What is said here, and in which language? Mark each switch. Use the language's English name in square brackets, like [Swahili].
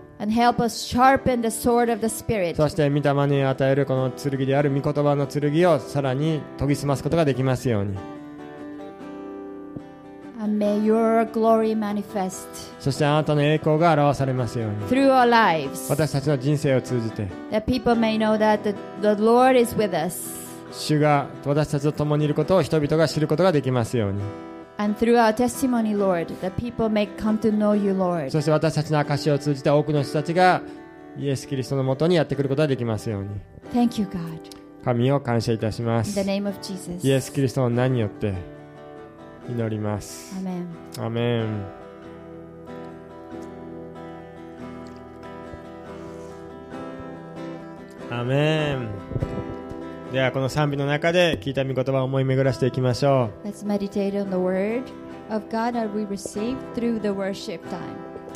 [English] And help us sharpen the sword of the Spirit. [Japanese] そして御霊に与えるこの剣である御言葉の剣をさらに研ぎ澄ますことができますように。 [English] And may your glory manifest. [Japanese] そしてあなたの栄光が表されますように。 [English] Through our lives. [Japanese] 私たちの人生を通じて。 [English] That people may know that the Lord is with us. [Japanese] 主が私たちと共にいることを人々が知ることができますように。 [English] And through our testimony, Lord, the people may come to know you, Lord. [Japanese] そして私たちの証を通じて多くの人たちがイエス・キリストのもとにやってくることができますように。 [English] Thank you, God. [Japanese] 神を感謝いたします。 [English] In the name of Jesus. [Japanese] イエス・キリストの名によって祈ります。 [English] Amen. Amen. Amen. [Japanese] ではこの賛美の中で聞いた御言葉を思い巡らしていきましょう。 [English] Let's meditate on the word of God that we receive through the worship time.